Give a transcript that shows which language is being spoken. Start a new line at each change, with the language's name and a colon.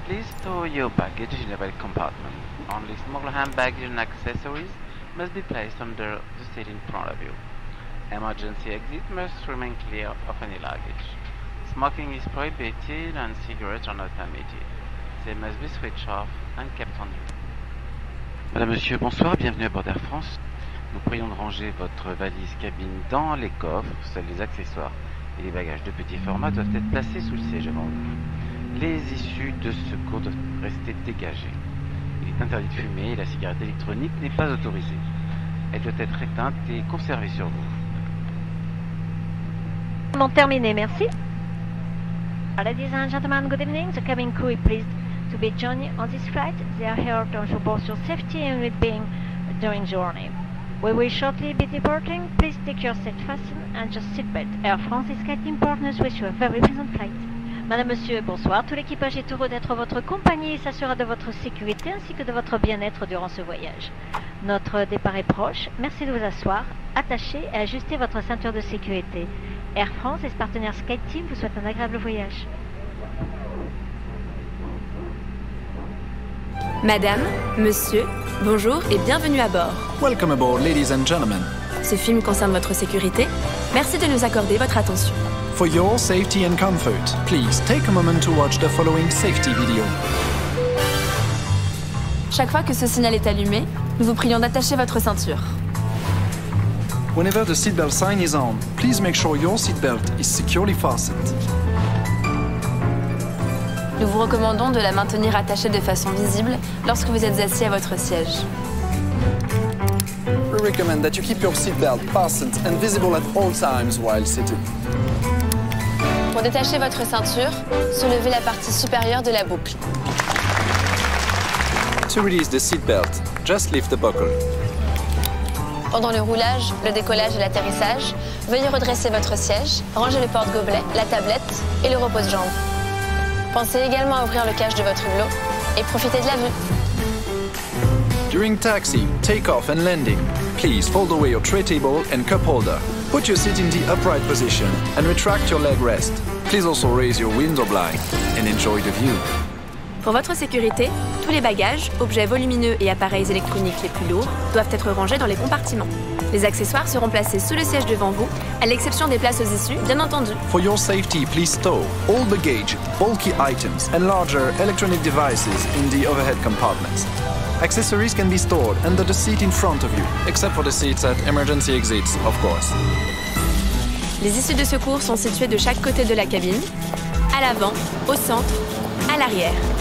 English: Please store your baggage in the belt compartment. Only small hand baggage and accessories must be placed under the seat in front of you. Emergency exit must remain clear of any luggage. Smoking is prohibited and cigarettes are not permitted. They must be switched off and kept on you.
French: Madame, Monsieur, bonsoir, bienvenue à bord d'Air France. Nous prions de ranger votre valise cabine dans les coffres, seuls les accessoires. Et les bagages de petit format doivent être placés sous le siège avant. Les issues de secours doivent rester dégagées. Il est interdit de fumer et la cigarette électronique n'est pas autorisée. Elle doit être éteinte et conservée sur vous. Terminé, merci.
English: Ladies and gentlemen, good evening. The cabin crew is pleased to be joining on this flight. They are here to ensure both your safety and well-being during the journey. We will shortly be departing. Please take your seat fastened and your seatbelt. Air France is getting partners with you. A very pleasant flight.
French: Madame, Monsieur, bonsoir. Tout l'équipage est heureux d'être votre compagnie et s'assurera de votre sécurité ainsi que de votre bien-être durant ce voyage. Notre départ est proche. Merci de vous asseoir, attacher et ajuster votre ceinture de sécurité. Air France et ses partenaires SkyTeam vous souhaitent un agréable voyage. Madame, Monsieur, bonjour et bienvenue à bord.
English: Welcome aboard, ladies and gentlemen.
French: Ce film concerne votre sécurité. Merci de nous accorder votre attention.
English: For your safety and comfort, please take a moment to watch the following safety video.
French: Chaque fois que ce signal est allumé, nous vous prions d'attacher votre ceinture.
English: Whenever the seatbelt sign is on, please make sure your seatbelt is securely fastened.
French: Nous vous recommandons de la maintenir attachée de façon visible lorsque vous êtes assis à votre siège.
English: We recommend that you keep your seatbelt fastened and visible at all times while seated.
French: Pour détacher votre ceinture, soulevez la partie supérieure de la boucle.
English: To release the seatbelt, just lift the buckle.
French: Pendant le roulage, le décollage et l'atterrissage, veuillez redresser votre siège, ranger le porte-gobelet, la tablette et le repose-jambe. Pensez également à ouvrir le cache de votre hublot et profitez de la vue.
English: During taxi, take-off and landing, please fold away your tray table and cup holder. Put your seat in the upright position and retract your leg rest. Please also raise your window blind and enjoy the view.
French: Pour votre sécurité, tous les bagages, objets volumineux et appareils électroniques les plus lourds doivent être rangés dans les compartiments. Les accessoires seront placés sous le siège devant vous, à l'exception des places aux issues, bien entendu.
English: For your safety, please stow all baggage, bulky items and larger electronic devices in the overhead compartments. Accessories can be stored under the seat in front of you, except for the seats at emergency exits, of course.
French: Les issues de secours sont situées de chaque côté de la cabine, à l'avant, au centre, à l'arrière.